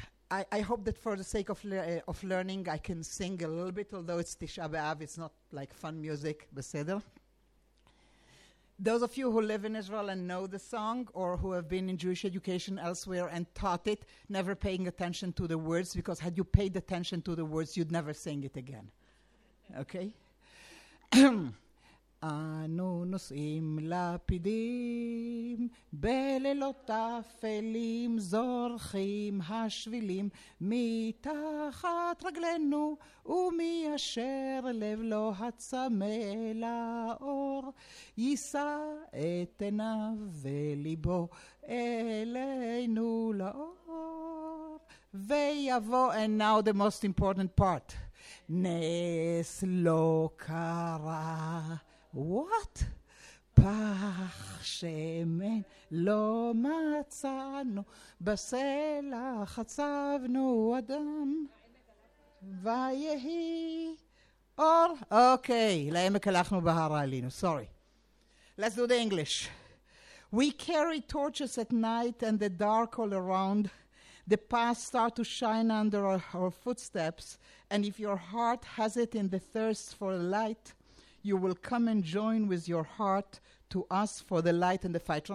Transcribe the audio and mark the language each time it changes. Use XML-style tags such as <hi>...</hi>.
<en>I hope that for the sake of learning, I can sing a little bit, although it's Tisha B'Av, it's not like fun music, Beseder. Those of you who live in Israel and know the song, or who have been in Jewish education elsewhere and taught it, never paying attention to the words, because had you paid attention to the words, you'd never sing it again. Okay?</en> <he>אנו נוסעים לפידים בלילות אפלים זורחים השבילים מתחת רגלנו ומי אשר לב לו הצמא לאור יישא את עיניו וליבו אלינו לאור ויבוא.</he> <en>And now the most important part.</en> <he>נס לא קרה.</he> <en>What?</en> <he>פח שמן לא מצאנו, בסלח חצבנו אדם, ויהי אור. Okay, לעמק הלכנו בהר העלינו, sorry.</he> <en>Let's do the English. We carry torches at night and the dark all around. The past start to shine under our footsteps. And if your heart has it in the thirst for light, you will come and join with your heart to us for the light and the fight.</en>